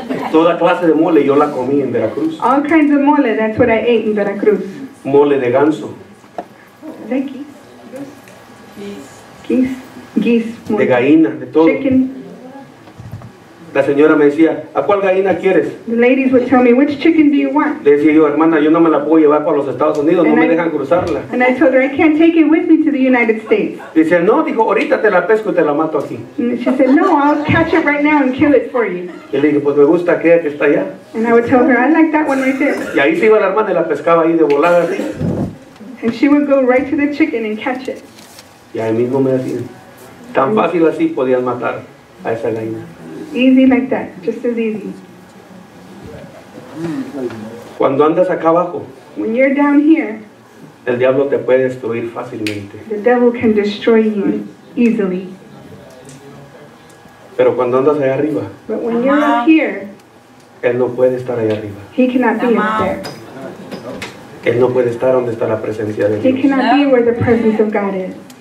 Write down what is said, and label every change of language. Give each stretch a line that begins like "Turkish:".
Spanish: Toda clase de mole yo la comí en Veracruz.
English: All kinds of mole, that's what I ate in Veracruz.
Spanish: Mole de ganso.
English: Is that geese? Geese. Geese.
Spanish: De gallina, de todo.
English: Chicken.
Spanish: La señora me decía, ¿a cuál gallina quieres?
English: The ladies would tell me, which chicken do you want?
Spanish: Le decía yo, hermana, yo no me la puedo llevar para los Estados Unidos, no me dejan cruzarla.
English: And I told her, I can't take it with me to the United States.
Spanish: Dice, no, dijo, ahorita te la pesco y te la mato aquí.
English: She said, no, I'll catch it right now and kill it for you.
Spanish: Y le dije, pues me gusta aquella que está allá.
English: And I would tell her, I like that one right there.
Spanish: Y ahí se iba la hermana y la pescaba ahí de volada.
English: And she would go right to the chicken and catch it.
Spanish: Y ahí mismo me decían, tan fácil así podían matar a esa gallina.
English: Easy like that, just as easy.
Spanish: Cuando andas acá abajo,
English: when you're down here,
Spanish: el diablo te puede destruir fácilmente.
English: The devil can destroy you easily.
Spanish: Pero cuando andas allá arriba,
English: but when you're up here,
Spanish: él no puede estar allá arriba.
English: He cannot be up there.
Spanish: Él no puede estar donde está la presencia de Dios.
English: He cannot be where the presence of God is.